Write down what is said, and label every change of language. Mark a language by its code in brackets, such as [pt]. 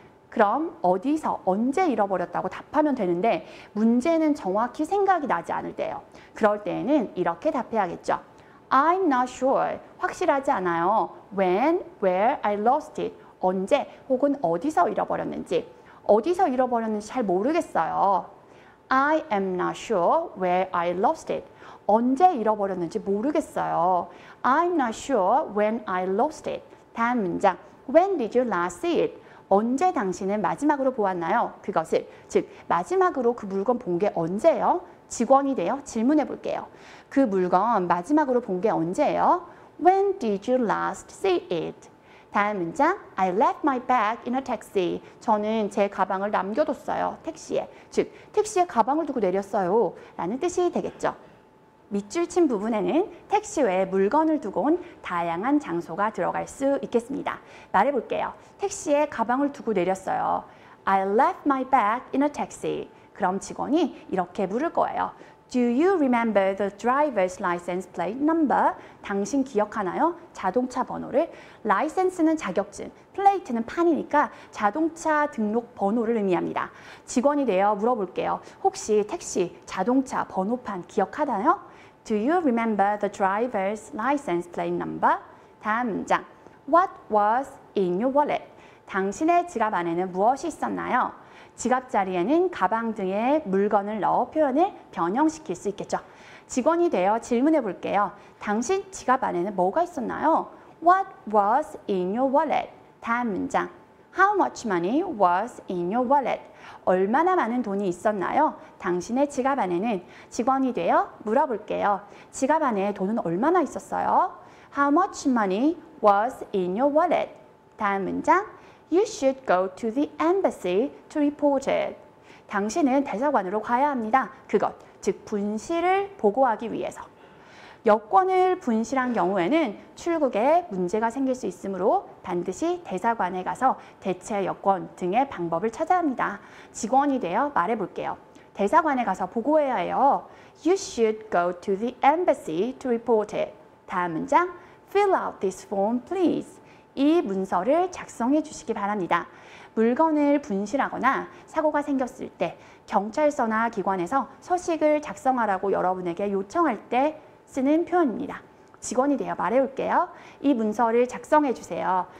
[ko] 그럼 어디서, 언제 잃어버렸다고 답하면 되는데 문제는 정확히 생각이 나지 않을 때요. 그럴 때에는 이렇게 답해야겠죠. [en] I'm not sure. [ko] 확실하지 않아요. [en] When, where I lost it. [ko] 언제 혹은 어디서 잃어버렸는지. 어디서 잃어버렸는지 잘 모르겠어요. [en] I am not sure where I lost it. [ko] 언제 잃어버렸는지 모르겠어요. [en] I'm not sure when I lost it. [ko] 다음 문장. [en] When did you last see it? [ko] 언제 당신은 마지막으로 보았나요? 그것을. 즉, 마지막으로 그 물건 본 게 언제예요? 직원이 되어 질문해 볼게요. 그 물건 마지막으로 본 게 언제예요? [en] When did you last see it? [ko] 다음 문장. [en] I left my bag in a taxi. [ko] 저는 제 가방을 남겨뒀어요. 택시에. 즉, 택시에 가방을 두고 내렸어요. 라는 뜻이 되겠죠. 밑줄 친 부분에는 택시 외에 물건을 두고 온 다양한 장소가 들어갈 수 있겠습니다. 말해 볼게요. 택시에 가방을 두고 내렸어요. [en] I left my bag in a taxi. [ko] 그럼 직원이 이렇게 물을 거예요. [en] Do you remember the driver's license plate number? [ko] 당신 기억하나요? 자동차 번호를. License는 자격증, plate는 판이니까 자동차 등록 번호를 의미합니다. 직원이 되어 물어볼게요. 혹시 택시, 자동차 번호판 기억하나요? [en] Do you remember the driver's license plate number? [ko] 다음 문장. [en] What was in your wallet? [ko] 당신의 지갑 안에는 무엇이 있었나요? 지갑 자리에는 가방 등의 물건을 넣어 표현을 변형시킬 수 있겠죠. 직원이 되어 질문해 볼게요. 당신 지갑 안에는 뭐가 있었나요? [en] What was in your wallet? [ko] 다음 문장. [en] How much money was in your wallet? [ko] 얼마나 많은 돈이 있었나요? 당신의 지갑 안에는. 직원이 되어 물어볼게요. 지갑 안에 돈은 얼마나 있었어요? [en] How much money was in your wallet? [ko] 다음 문장. [en] You should go to the embassy to report it. [ko] 당신은 대사관으로 가야 합니다. 그것, 즉 분실을 보고하기 위해서. 여권을 분실한 경우에는 출국에 문제가 생길 수 있으므로 반드시 대사관에 가서 대체 여권 등의 방법을 찾아야 합니다. 직원이 되어 말해볼게요. 대사관에 가서 보고해야 해요. [en] You should go to the embassy to report it. [ko] 다음 문장, [en] fill out this form, please. [ko] 이 문서를 작성해 주시기 바랍니다. 물건을 분실하거나 사고가 생겼을 때 경찰서나 기관에서 서식을 작성하라고 여러분에게 요청할 때 쓰는 표현입니다. 직원이 되어 말해 올게요. 이 문서를 작성해 주세요.